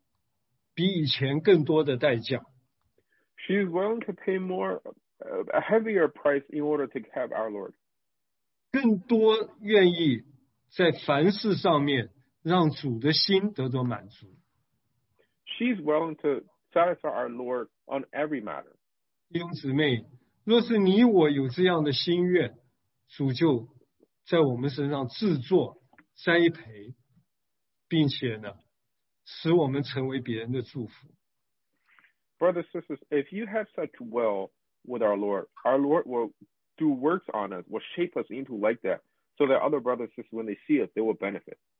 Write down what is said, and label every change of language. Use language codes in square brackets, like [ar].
[zh] 她为着得着主，肯付比以前更多的代价。 [en] She's willing to pay more, a heavier price in order to have our Lord. [zh] 更多愿意在凡事上面让主的心得到满足。 [en] She's willing to satisfy our Lord on every matter. [zh] 弟兄姊妹，若是你我有这样的心愿，主就在我们身上制作、栽培，并且呢，使我们成为别人的祝福。 [en] Brothers and sisters, if you have such will with our Lord will do works on us, will shape us into like that, so that other brothers and sisters, when they see us, they will benefit.